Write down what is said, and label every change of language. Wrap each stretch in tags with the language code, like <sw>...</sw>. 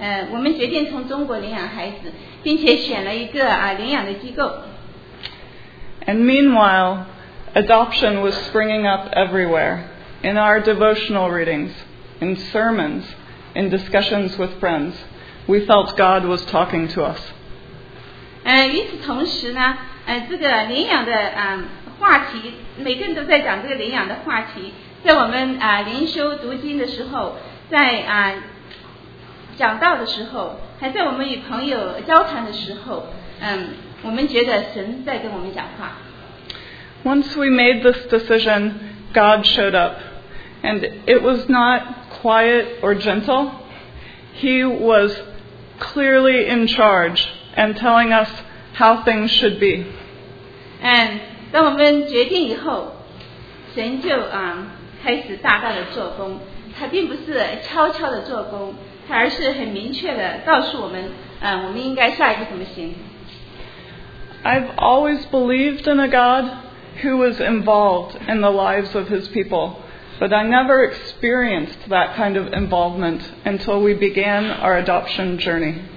<zh>我们决定从中国领养孩子，并且选了一个领养的机构。</zh> <en>And meanwhile, adoption was springing up everywhere, in our devotional readings, in sermons, in discussions with friends. We felt God was talking to us.</en> <zh>与此同时呢，这个领养的话题，每个人都在讲这个领养的话题，在我们灵修读经的时候，在讲道的时候，还在我们与朋友交谈的时候，我们觉得神在跟我们讲话。</zh> <en>Once we made this decision, God showed up. And it was not quiet or gentle. He was clearly in charge and telling us how things should be. And</en> <zh>当我们决定以后，神就开始大大的做工。他并不是悄悄的做工，他而是很明确的告诉我们，我们应该下一步怎么行。</zh> <en>I've always believed in a God who was involved in the lives of his people, but I never experienced that kind of involvement until we began our adoption journey.</en>